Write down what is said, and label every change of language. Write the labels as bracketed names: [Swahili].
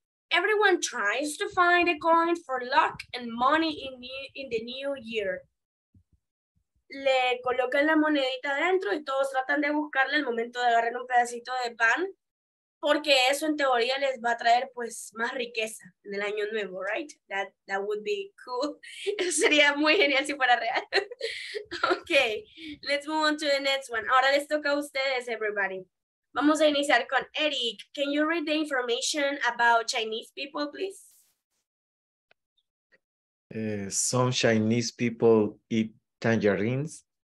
[English] Everyone tries to find a coin for luck and money in the new year. [Spanish] Le colocan la monedita dentro y todos tratan de buscarle el momento de agarrar un pedacito de pan, porque eso en teoría les va a traer pues más riqueza en el año nuevo, right? [English] That would be cool. [Spanish] Sería muy genial si fuera real. [English] Okay, let's move on to the next one. [Spanish] Ahora les toca a ustedes, [English] everybody. [Spanish] Vamos a iniciar con Eric. [English] Can you read the information about Chinese people, please? Some Chinese people eat tangerines.